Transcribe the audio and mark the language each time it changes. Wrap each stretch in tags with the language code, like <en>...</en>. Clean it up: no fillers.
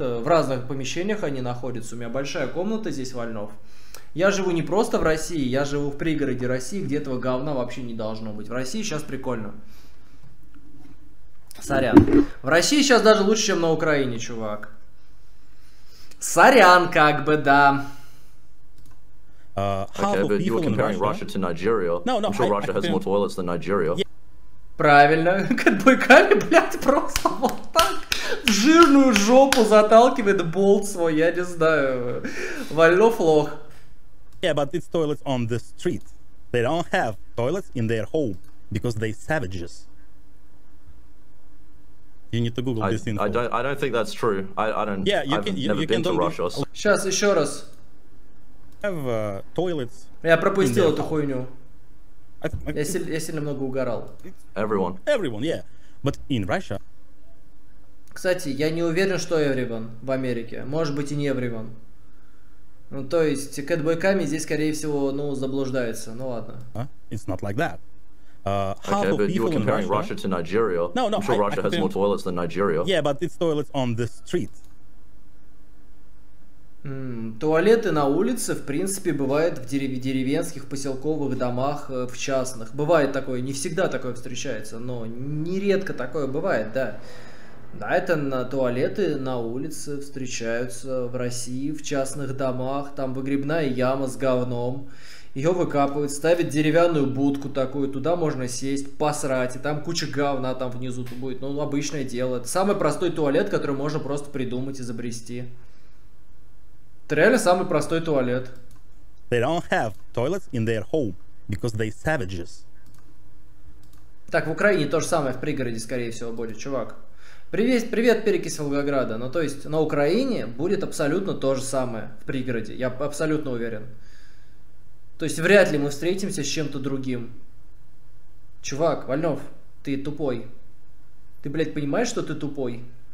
<ru>В разных помещениях они находятся. У меня большая комната здесь, Вольнов. Я живу не просто в России, я живу в пригороде России, где этого говна вообще не должно быть. В России сейчас прикольно. Сорян. В России сейчас даже лучше, чем на Украине, чувак. Сорян, как бы, да.</ru> <en>Okay, but you were comparing Russia to Nigeria. No, I'm sure Russia has more toilets than Nigeria.</en> <ru>Правильно. Кадбуйками, блядь, просто вот так в жирную жопу заталкивает болт свой, я не знаю. Вольнов лох.</ru> <en>Yeah, but it's toilets on the street. They don't have toilets in their home because they savages. You need to Google this info. I don't think that's true. I don't. Yeah, you can. I've never been to Russia.</en> <ru>Сейчас еще раз.</ru> <en>Have toilets.</en> <ru>Я пропустил эту хуйню. Я сильно много угорал.</ru> <en>Everyone. Everyone, yeah. But in Russia.</en> <ru>Кстати, я не уверен, что everyone в Америке. Может быть и не everyone. Ну, то есть, кэтбойками здесь, скорее всего, ну, заблуждается. Ну, ладно.</ru> <en>It's not like that. Okay, but you were comparing Russia to Nigeria. No, I'm sure Russia has more toilets than Nigeria. Yeah, but it's toilets on the street.</en> <ru>Туалеты на улице, в принципе, бывают в деревенских, поселковых домах, в частных. Бывает такое, не всегда такое встречается, но нередко такое бывает, да. Да, это на туалеты на улице встречаются в России, в частных домах. Там выгребная яма с говном. Ее выкапывают, ставят деревянную будку такую. Туда можно сесть, посрать. И там куча говна там внизу будет. Ну, обычное дело. Это самый простой туалет, который можно просто придумать, изобрести. Это реально самый простой туалет.</ru> <en>They don't have toilets in their home, because they savages.</en> <ru>Так, в Украине то же самое, в пригороде, скорее всего, будет, чувак. Привет, привет, перекись Волгограда. Ну, то есть, на Украине будет абсолютно то же самое в пригороде. Я абсолютно уверен. То есть, вряд ли мы встретимся с чем-то другим. Чувак, Вольнов, ты тупой. Ты, блядь, понимаешь, что ты тупой?</ru>